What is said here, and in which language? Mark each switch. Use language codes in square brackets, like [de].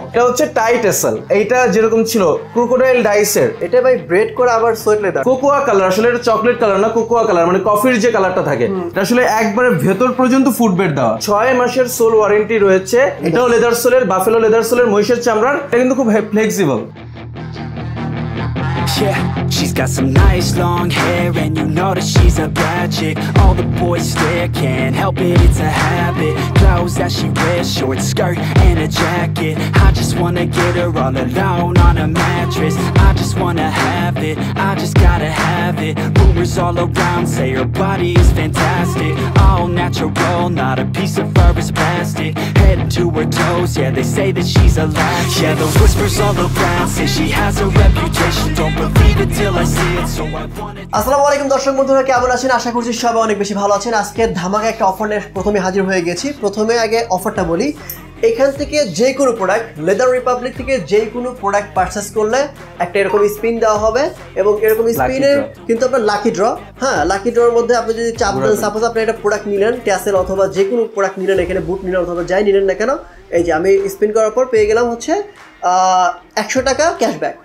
[bn] এটা হচ্ছে টাইট এসেল, এটা যেরকম ছিল ক্রোকোডাইল ডাইসের, এটা ভাই ব্রেড করে আবার সোয়েট লেদার, কোকোয়া কালার, আসলে এটা চকলেট কালার না, কোকোয়া কালার, মানে কফির যে কালারটা থাকে, এটা আসলে একবারে ভেতর পর্যন্ত ফুট বেড দেওয়া। 6 মাসের সোল ওয়ারেন্টি রয়েছে, এটাও লেদার সোলের, বাফেলো লেদার সোলের, মহিষের চামড়ার, এটা কিন্তু খুব flexible. [en] Yeah, she's got some nice long hair and you know that she's a bad chick. All the boys stare, can't help it, it's a habit. Clothes that she wears, short skirt and a jacket. I just wanna get her all alone on a mattress. I just wanna have it, I just gotta have it. Rumors all around say her body is fantastic. All natural, not a piece of fur is plastic. Head to her toes, yeah, they say that she's a latchet. Yeah, the whispers all around say she has a reputation. Don't [bn] আসসালামু আলাইকুম দর্শক বন্ধুরা, কেমন আছেন? আশা করছি সবাই অনেক বেশি ভালো আছেন। আজকে ধামাকা একটা অফার নিয়ে প্রথমে হাজির হয়ে গেছি। প্রথমে আগে অফারটা বলি, এখান থেকে যে কোনো প্রোডাক্ট, লেদার রিপাবলিক থেকে যে কোনো প্রোডাক্ট পারচেস করলে একটা এরকম স্পিন দেওয়া হবে, এবং এরকম স্পিনে কিন্তু আপনার লাকি ড্র, হ্যাঁ, লাকি ড্রর মধ্যে আপনি যদি চাপতেন, সাপোজ আপনি একটা প্রোডাক্ট নিলেন, ট্যাসেল অথবা যে কোনো প্রোডাক্ট নিলেন, এখানে বুট নিলেন অথবা যাই নিলেন না কেন, এই যে আমি স্পিন করার পর পেয়ে গেলাম হচ্ছে 100 টাকা ক্যাশব্যাক।